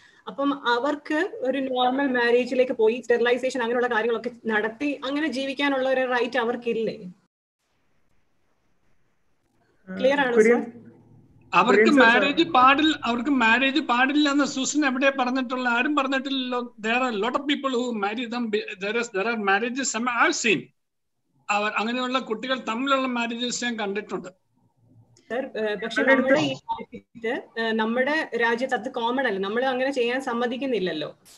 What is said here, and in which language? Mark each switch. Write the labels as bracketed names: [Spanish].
[Malayalam] അപ്പം അവർക്ക് ഒരു നോർമൽ മാരേജിലേക്ക് പോയി സ്റ്റെറിലൈസേഷൻ അങ്ങനെയുള്ള കാര്യങ്ങളൊക്കെ നടത്തി അങ്ങനെ ജീവിക്കാനുള്ള ഒരു റൈറ്റ് അവർക്കില്ലേ? ക്ലിയർ ആണോ സർ? അവർക്ക് മാരേജ് പാടില്ല, അവർക്ക് മാരേജ് പാടില്ല എന്ന് സൂസൻ എവിടെ പറഞ്ഞിട്ടുള്ള? ആരും പറഞ്ഞിട്ടില്ലല്ലോ. [English] There are a lot of people who marry them. There are marriages I have seen. [Malayalam] അവർ അങ്ങനെയുള്ള കുട്ടികൾ തമ്മിലുള്ള മാരേജസ് ഞാൻ കണ്ടിട്ടുണ്ട്. നമ്മുടെ രാജ്യത്ത് അത് കോമൺ അല്ല, നമ്മൾ അങ്ങനെ ചെയ്യാൻ സമ്മതിക്കുന്നില്ലല്ലോ.